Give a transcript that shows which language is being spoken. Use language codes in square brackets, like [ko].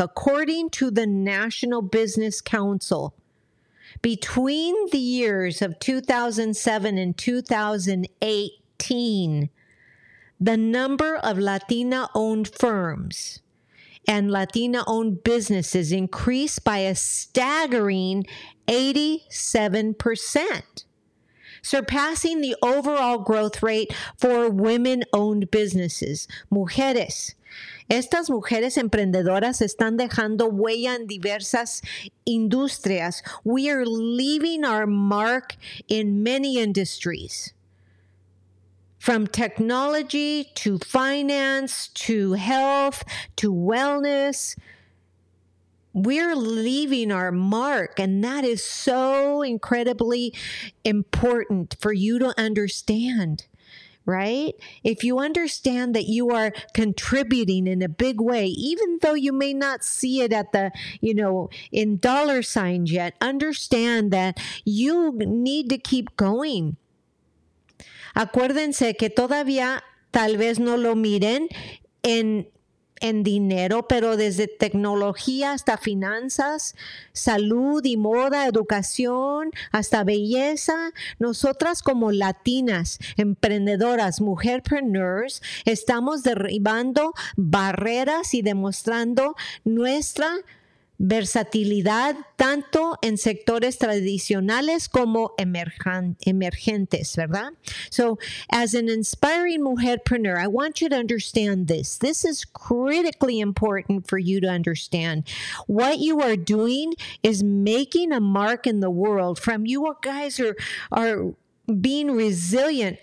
[en] According to the National Business Council, between the years of 2007 and 2018, the number of Latina-owned firms and Latina-owned businesses increased by a staggering 87%, surpassing the overall growth rate for women-owned businesses. [es] Mujeres. Estas mujeres emprendedoras están dejando huella en diversas industrias. [en] We are leaving our mark in many industries. From technology to finance to health to wellness, we're leaving our mark. And that is so incredibly important for you to understand, right? If you understand that you are contributing in a big way, even though you may not see it at the, you know, in dollar signs yet, understand that you need to keep going. [es] Acuérdense que todavía tal vez no lo miren en dinero, pero desde tecnología hasta finanzas, salud y moda, educación, hasta belleza, nosotras como latinas, emprendedoras, mujerpreneurs, estamos derribando barreras y demostrando nuestra versatilidad tanto en sectores tradicionales como emergentes, ¿verdad? [en] So, as an inspiring mujerpreneur, I want you to understand this. This is critically important for you to understand. What you are doing is making a mark in the world. From you guys are being resilient.